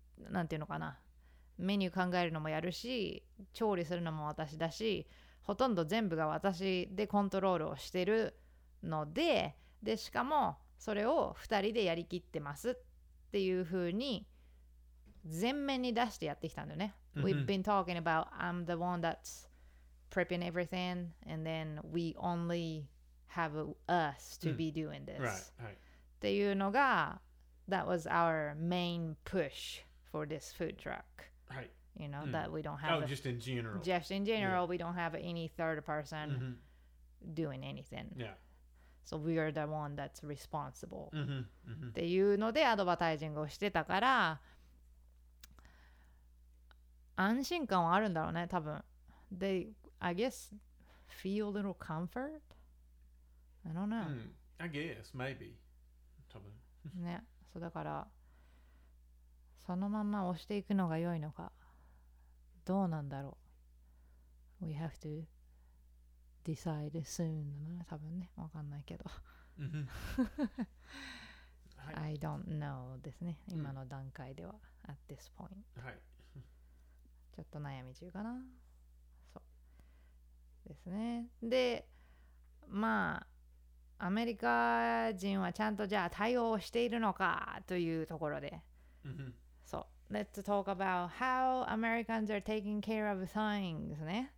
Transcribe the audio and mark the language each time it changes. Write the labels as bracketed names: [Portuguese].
[Japanese] なんていうのかな、メニュー考えるのもやるし、調理するのも私だし、ほとんど全部が私でコントロールをしてるので、でしかもそれを2人でやりきってますっていう風に前面に出してやってきたんだよね、mm-hmm. [English] We've been talking about I'm the one that's prepping everything and then we only have us to be doing this、 mm-hmm. right. [Japanese] っていうのが [English] That was our main push for this food truck、 right. You know、mm-hmm. that we don't have Oh, just in general Just in general、yeah. we don't have any third person、mm-hmm. doing anything Yeah So we are the one that's responsible. Mm-hmm, mm-hmm. [Japanese] っていうのでアドバタイジングをしてたから、安心感はあるんだろうね、多分。 [English] They, I guess, feel a little comfort? I don't know.、 Mm. I guess, maybe. [Japanese] 多分。ね、そうだから、そのまま押していくのが良いのか、どうなんだろう。 [English] We have to decide soon [Japanese] だな、多分ね、わかんないけど。 [English] I don't know [Japanese] ですね、今の段階では、うん、 [English] at this point。 [Japanese] はい。ちょっと悩み中かな。そう。ですね。で、まあ、アメリカ人はちゃんとじゃあ対応しているのかというところで。そう。 [English] Let's talk about how Americans are taking care of things ね。